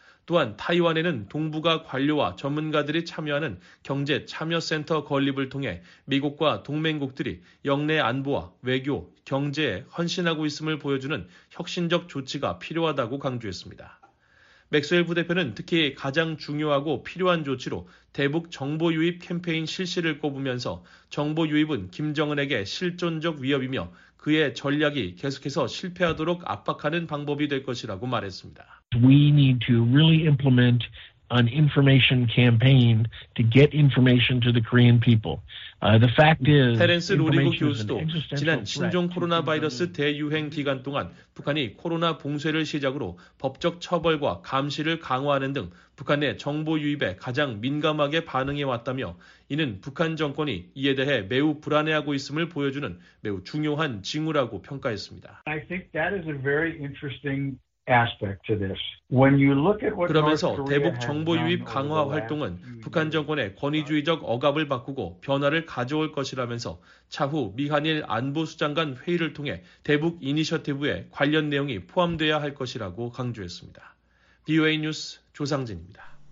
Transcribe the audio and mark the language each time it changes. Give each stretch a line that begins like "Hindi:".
Korean: 또한 타이완에는 동북아 관료와 전문가들이 참여하는 경제참여센터 건립을 통해 미국과 동맹국들이 영내 안보와 외교, 경제에 헌신하고 있음을 보여주는 혁신적 조치가 필요하다고 강조했습니다. 맥스웰 부대표는 특히 가장 중요하고 필요한 조치로 대북 정보 유입 캠페인 실시를 꼽으면서 정보 유입은 김정은에게 실존적 위협이며 그의 전략이 계속해서 실패하도록 압박하는 방법이 될 것이라고 말했습니다.
English: We need to really implement an information campaign to get information to the Korean people. The fact is,
Korean: 테렌스 로리고 교수도 지난 신종 코로나 바이러스 대유행 기간 동안 북한이 코로나 봉쇄를 시작으로 법적 처벌과 감시를 강화하는 등 북한의 정보 유입에 가장 민감하게 반응해 왔다며 이는 북한 정권이 이에 대해 매우 불안해하고 있음을 보여주는 매우 중요한 징후라고 평가했습니다.
English: I think that is a very interesting aspect to this. When you look at what
Korean: 그러면서 대북 정보 유입 강화 활동은 북한 정권의 권위주의적 억압을 바꾸고 변화를 가져올 것이라면서 차후 미한일 안보수장 간 회의를 통해 대북 이니셔티브에 관련 내용이 포함되어야 할 것이라고 강조했습니다. BOA 뉴스 조상진입니다.